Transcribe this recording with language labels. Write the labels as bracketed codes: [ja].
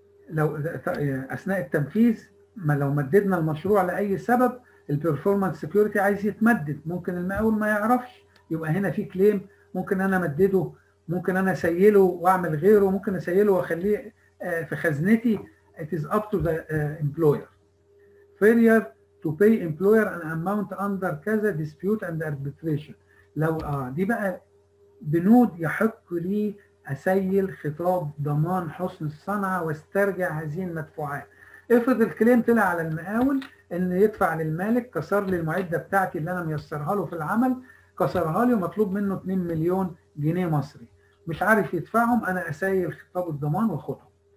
[ar] لو اثناء التنفيذ ما لو مددنا المشروع لاي سبب البيرفورمانس سيكيورتي عايز يتمدد، ممكن المقاول ما يعرفش، يبقى هنا في كليم ممكن انا امدده، ممكن انا اسيله واعمل غيره، ممكن اسيله واخليه في خزنتي. [en] It is up to the employer. Failure to pay employer an amount under كذا dispute and arbitration. [ar] لو دي بقى بنود يحق لي اسيل خطاب ضمان حسن الصنعه واسترجع هذه المدفوعات. افرض الكليم طلع على المقاول ان يدفع للمالك كسر لي المعده بتاعتي اللي انا ميسرها له في العمل، كسرها لي ومطلوب منه 2 مليون جنيه مصري، مش عارف يدفعهم، انا اسيل خطاب الضمان واخدهم.